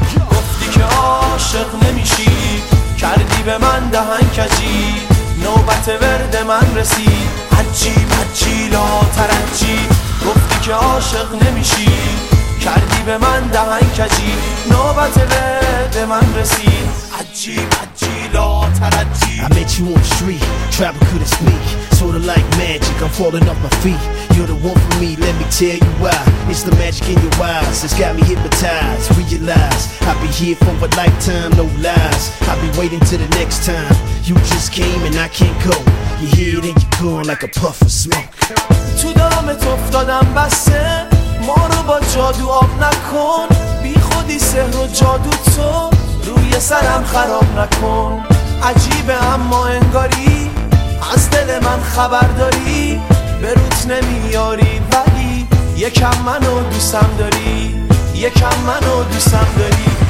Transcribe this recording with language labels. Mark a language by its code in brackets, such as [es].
[fa] گفتی که عاشق نمیشی، کردی به من دهن کجی، نوبت ورد من رسید، عجی مجی لاتر عجی. گفتی که عاشق نمیشی، کردی به من دهن کجی، نوبت ورد من رسید، عجی مجی لاتر عجی. [en] I met you on the street, travel couldn't speak, sort of like magic, I'm falling off my feet. You're the one for me, let me tell you why. It's the magic in your eyes, it's got me hypnotized. Realize, I'll be here for a lifetime, no lies. I'll be waiting till the next time. You just came and I can't go. You hit and you're gone like a puff of smoke. [fa] تو دامت افتادم بسه، ما رو با جادو آب نکن، بی خودی سحر و جادو تو روی سرم خراب نکن. عجیبه اما انگاری از دل من خبر داری، به روت نمیاری ولی یکم منو دوستم داری، یکم منو دوستم داری.